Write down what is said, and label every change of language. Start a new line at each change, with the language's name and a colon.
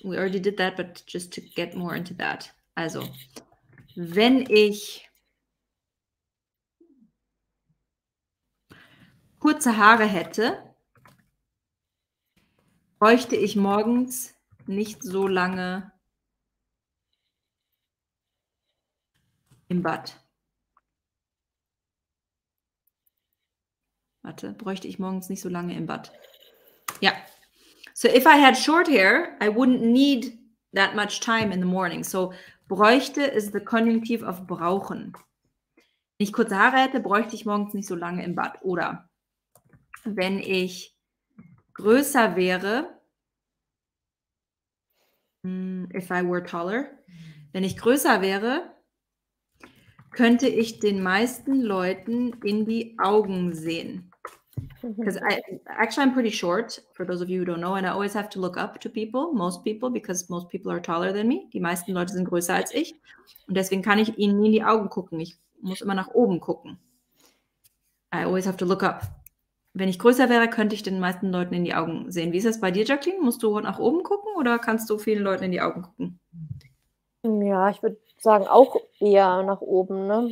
English: We already did that, but just to get more into that.
German: Also, wenn ich kurze Haare hätte, bräuchte ich morgens nicht so lange im Bad. Warte, bräuchte ich morgens nicht so lange im Bad? Ja.
English: So, if I had short hair, I wouldn't need that much time in the morning. So, bräuchte ist the Konjunktiv of brauchen.
German: Wenn ich kurze Haare hätte, bräuchte ich morgens nicht so lange im Bad. Oder wenn ich größer wäre,
English: if I were taller,
German: wenn ich größer wäre, könnte ich den meisten Leuten in die Augen sehen.
English: Because actually I'm pretty short, for those of you who don't know, and I always have to look up to people, most people, because most people are taller than me.
German: Die meisten Leute sind größer als ich. Und deswegen kann ich ihnen nie in die Augen gucken. Ich muss immer nach oben gucken.
English: I always have to look up.
German: Wenn ich größer wäre, könnte ich den meisten Leuten in die Augen sehen. Wie ist das bei dir, Jacqueline? Musst du nach oben gucken oder kannst du vielen Leuten in die Augen gucken? Ja, ich würde sagen, auch eher nach oben, ne?